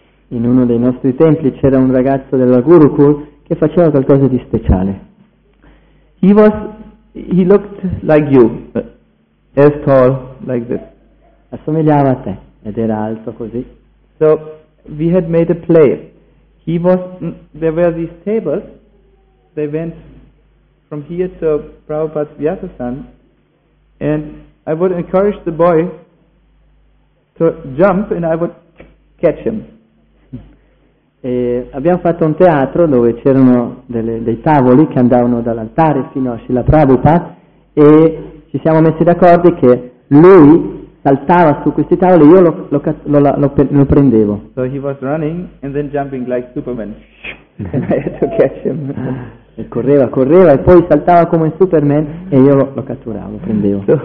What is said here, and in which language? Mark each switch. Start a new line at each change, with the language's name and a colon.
Italian: In uno dei nostri templi c'era un ragazzo della Gurukul che faceva qualcosa di speciale.
English: He looked like you, as tall like this.
Italian: Assomigliava a te ed era alto così.
English: So we had made a play. There were these tables. They went from here to Prabhupada's Vyasa-san. And I would encourage the boy to jump and I would catch him.
Italian: E abbiamo fatto un teatro dove c'erano dei tavoli che andavano dall'altare fino a Srila Prabhupada e ci siamo messi d'accordo che lui saltava su questi tavoli e io lo prendevo.
English: So he was running and then jumping like Superman. And I had to catch him.
Italian: E correva e poi saltava come Superman e io lo catturavo, prendevo.